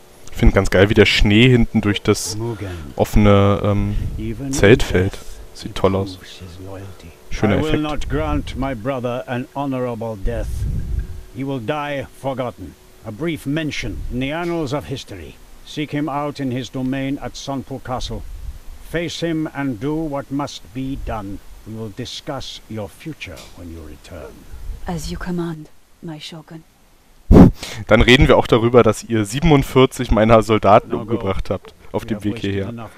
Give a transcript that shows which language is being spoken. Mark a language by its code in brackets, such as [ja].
[de] Ich finde ganz geil, wie der Schnee hinten durch das offene Zelt fällt. Sieht toll aus. Schöner Effekt. [en] I will not grant my brother an honorable death. He will die forgotten. A brief mention in the annals of history. Seek him out in his domain at Sonpo Castle. Face him and do what must be done. We will discuss your future when you return. As you command, my Shogun. [de] Dann reden wir auch darüber, dass ihr 47 meiner Soldaten umgebracht habt auf dem Weg hierher.